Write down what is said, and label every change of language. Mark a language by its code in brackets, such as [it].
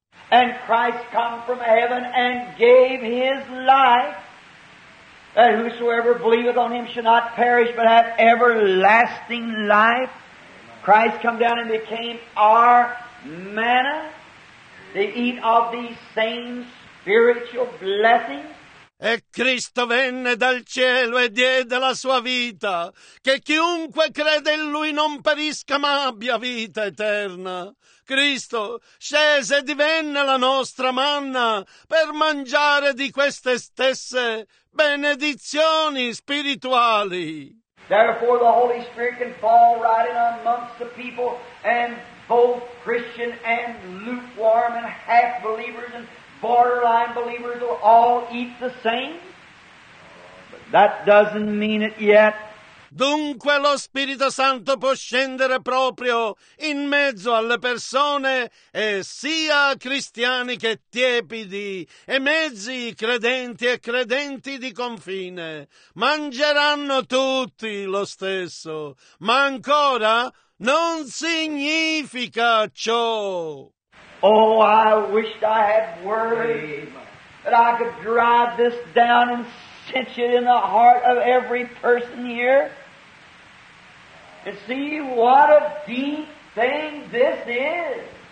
[en] And Christ come from heaven and gave his life, that whosoever believeth on him shall not perish but have everlasting life. Christ come down and became our manna. They eat of these same spiritual blessing. [it] E Cristo venne dal cielo e diede la sua vita, che chiunque crede in lui non perisca ma abbia vita eterna. Cristo scese e divenne la nostra manna per mangiare di queste stesse benedizioni spirituali. [en] Therefore the Holy Spirit can fall right in amongst the people, and both Christian and lukewarm and half believers and borderline believers will all eat the same. But that doesn't mean it yet. [it] Dunque lo Spirito Santo può scendere proprio in mezzo alle persone, e sia cristiani che tiepidi, e mezzi credenti e credenti di confine, mangeranno tutti lo stesso, ma ancora non significa ciò. [en] Oh, I wished I had words that I could drive this down and cinch it in the heart of every person here. And see what a deep thing this is.